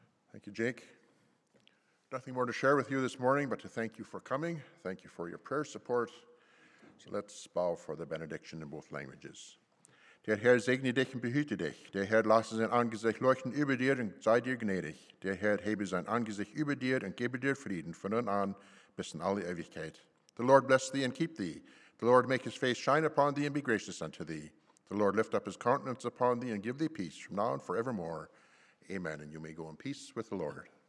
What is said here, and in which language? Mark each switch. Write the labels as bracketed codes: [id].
[en] Thank you, Jake. Nothing more to share with you this morning but to thank you for coming. Thank you for your prayer support. So let's bow for the benediction in both languages. [de] Der Herr segne dich und behüte dich. Der Herr lasse sein Angesicht leuchten über dir und sei dir gnädig. Der Herr hebe sein Angesicht über dir und gebe dir Frieden von nun an bis in alle Ewigkeit. [en] The Lord bless thee and keep thee. The Lord make his face shine upon thee and be gracious unto thee. The Lord lift up his countenance upon thee and give thee peace from now and forevermore. Amen. And you may go in peace with the Lord.